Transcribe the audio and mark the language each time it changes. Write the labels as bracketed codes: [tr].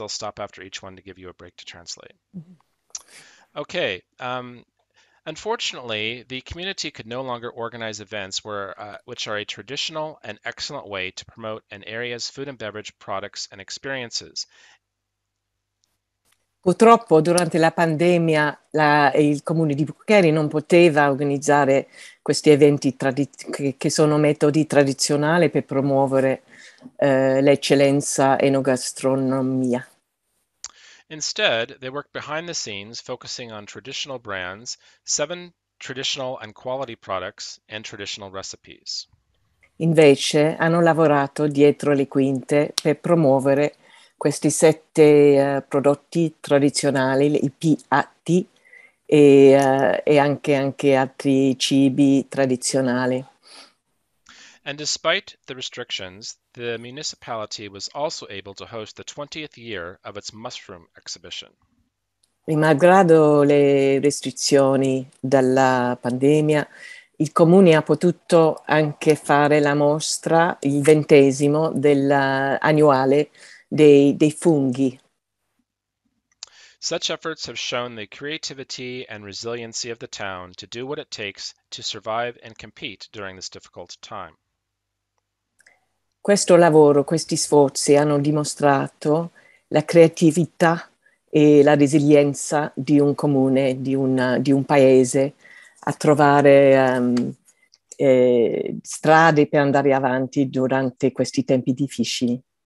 [en] I'll stop after each one to give you a break to translate. Mm-hmm. Okay. Unfortunately, the community could no longer organize events which are a traditional and excellent way to promote an area's food and beverage products and experiences. [it] Purtroppo, durante la pandemia, il comune di Bucheri non poteva organizzare questi eventi che sono metodi tradizionali per promuovere l'eccellenza enogastronomia. [en] Instead, they worked behind the scenes, focusing on traditional brands, 7 traditional and quality products, and traditional recipes. [it] Invece, hanno lavorato dietro le quinte per promuovere questi 7 prodotti tradizionali, i PAT, e anche altri cibi tradizionali. [en] And despite the restrictions, the municipality was also able to host the 20th year of its mushroom exhibition. [it] E malgrado le restrizioni dalla pandemia, il comune ha potuto anche fare la mostra, il ventesimo dell'annuale dei funghi. [en] Such efforts have shown the creativity and resiliency of the town to do what it takes to survive and compete during this difficult time. [it] Questo lavoro, questi sforzi hanno dimostrato la creatività e la resilienza di un comune, di un paese, a trovare strade per andare avanti durante questi tempi difficili.